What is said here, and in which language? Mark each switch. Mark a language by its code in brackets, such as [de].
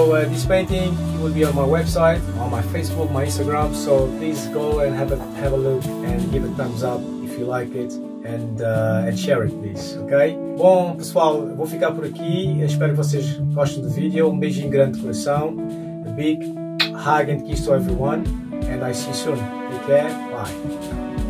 [en] This painting will be on my website, on my Facebook, my Instagram, so please go and have a look and give a thumbs up if you like it and share it, please, ok? [pt] Bom, pessoal, vou ficar por aqui. Eu espero que vocês gostem do vídeo. Um beijinho grande de coração. [en] A big hug and kiss to everyone. And I see you soon. Take care. Bye.